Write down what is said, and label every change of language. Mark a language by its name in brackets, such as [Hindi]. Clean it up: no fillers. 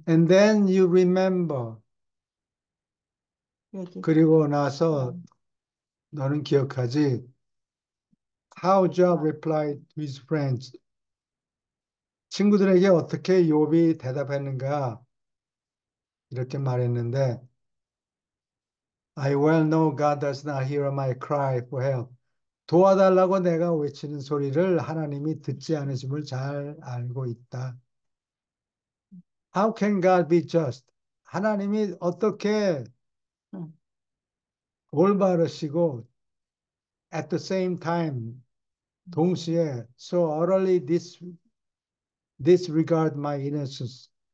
[English] And then you remember. [Korean] 여기. 그리고 나서 너는 기억하지? [English] How Job replied to his friends. [Korean] 친구들에게 어떻게 욥이 대답했는가? 이렇게 말했는데, [English] I well know God does not hear my cry for help. [Korean] 도와달라고 내가 외치는 소리를 하나님이 듣지 않으심을 잘 알고 있다. [English] How can God be just? [Korean] 하나님이 어떻게 올바르시고, [English] at the same time, [Korean] 동시에, [English] so utterly disregard my innocence.